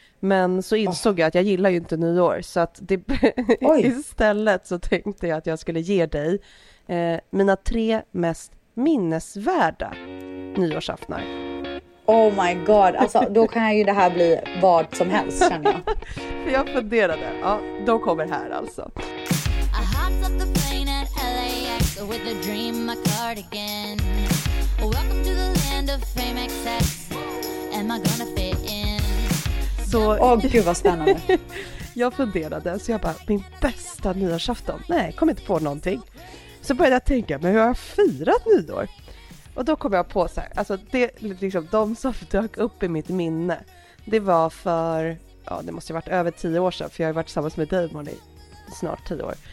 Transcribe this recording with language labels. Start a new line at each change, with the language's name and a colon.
Swedish: Men så insåg jag att jag gillar ju inte nyår så att det, istället så tänkte jag att jag skulle ge dig mina 3 mest minnesvärda nyårsaftnar.
English: Oh my god,
Swedish: alltså då kan ju det här bli vad som helst, känner jag. För jag funderade, ja, då kommer här alltså.
English: I hopped up the plane at LAX with a dream, my cardigan. Welcome to the land of fame excess. Am I gonna fit in? Så,
Swedish: gud vad spännande. Jag funderade, så jag bara, min bästa nyårsafton. Nej, kom inte på någonting. Så började jag tänka, men hur har jag firat nyår? Och då kom jag på så här, alltså det, liksom, de som dök upp i mitt minne, det var för, ja det måste ha varit över 10 år sedan, för jag har varit tillsammans med Damon i snart 10 år.